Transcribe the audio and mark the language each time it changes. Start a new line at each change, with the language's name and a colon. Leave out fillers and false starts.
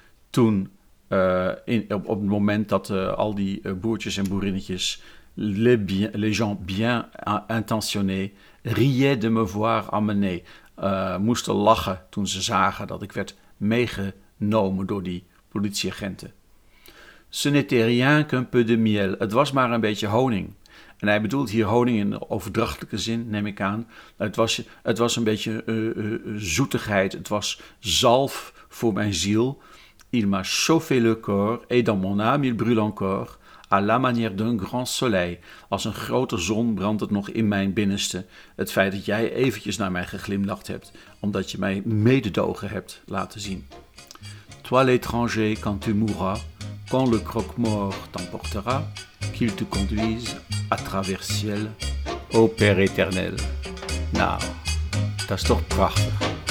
Dutch: Toen, op het moment dat al die boertjes en boerinnetjes,
French: les gens bien intentionnés, riaient de me voir amener,
Dutch: moesten lachen toen ze zagen dat ik werd meegenomen door die politieagenten.
French: Ce n'était rien qu'un peu de miel.
Dutch: Het was maar een beetje honing. En hij bedoelt hier honing in de overdrachtelijke zin, neem ik aan. Het was een beetje zoetigheid. Het was zalf voor mijn ziel.
French: Il m'a chauffé le corps et dans mon âme il brûle encore à la manière d'un grand soleil.
Dutch: Als een grote zon brandt het nog in mijn binnenste. Het feit dat jij eventjes naar mij geglimlacht hebt, omdat je mij mededogen hebt laten zien.
French: Toi l'étranger, quand tu mourras, quand le croque-mort t'emportera, qu'il te conduise à travers ciel, ô Père éternel.
Dutch: Nou, dat is toch prachtig.